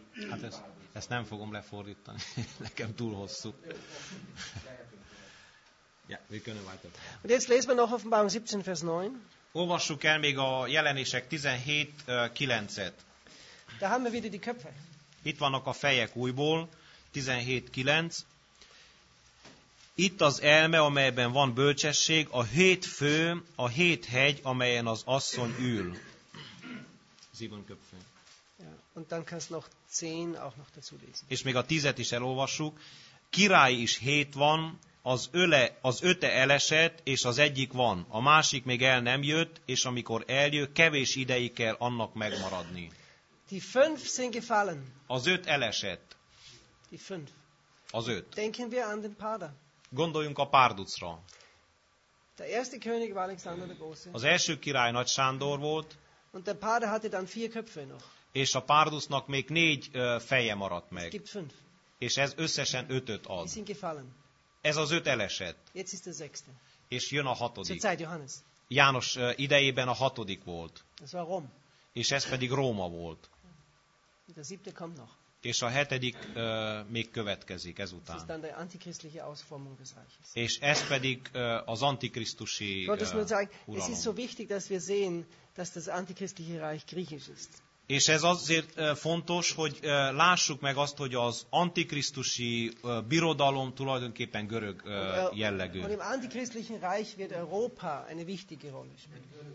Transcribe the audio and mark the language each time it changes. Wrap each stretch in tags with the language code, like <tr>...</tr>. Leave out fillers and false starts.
<hu>Hát ezt nem fogom lefordítani, nekem túl hosszú.</hu> <de>Ja, wir können weiter. Und jetzt lesen wir noch Offenbarung 17, Vers 9.</de> <hu>Olvassuk el még a Jelenések 17:9-et.</hu> <de>Da haben wir wieder die Köpfe.</de> <hu>Itt vannak a fejek újból, 17:9. Itt az elme, amelyben van bölcsesség, a hét fő, a hét hegy, amelyen az asszony ül.</hu> <de>Sieben Köpfe. Und dann kannst noch 10 auch noch dazu lesen.</de> <hu>És még a 10-et is elolvassuk. Király is hét van, az öte elesett, és az egyik van. A másik még el nem jött, és amikor eljö, kevés ideig kell annak megmaradni.</hu> <de>Die fünf sind gefallen.</de> <hu>Az öt elesett.</hu> <de>Die fünf.</de> <hu>Az öt.</hu> <de>Denken wir an den Páda.</de> <hu>Gondoljunk a Párducra.</hu> <de>Der erste König war Alexander der Große.</de> <hu>Az első király Nagy Sándor volt.</hu> <de>Und der Páda hatte dann vier Köpfe noch.</de> <hu>És a Párdusnak még négy feje maradt meg.</hu> <de>Es gibt fünf.</de> <hu>És ez összesen ötöt ad.</hu> <de>Die sind gefallen.</de> <hu>Ez az öt elesett.</hu> <de>Jetzt ist der sechste.</de> <hu>És jön a hatodik.</hu> <de>Zur Zeit Johannes.</de> <hu>János idejében a hatodik volt.</hu> <de>Das war Rom.</de> <hu>És ez pedig Róma volt.</hu> <de>Der siebte kommt noch.</de> <hu>És a hetedik még következik ezután.</hu> <de>Das ist dann der antichristliche Ausformung des Reiches.</de> <hu>És ez pedig az antikrisztusi uralom.</hu> <de>Es ist so wichtig, dass wir sehen, dass das antichristliche Reich griechisch ist.</de> <hu>És ez azért fontos, hogy lássuk meg azt, hogy az antikrisztusi birodalom tulajdonképpen görög jellegű.</hu> <de>Im antichristlichen Reich wird Europa eine wichtige Rolle spielen.</de>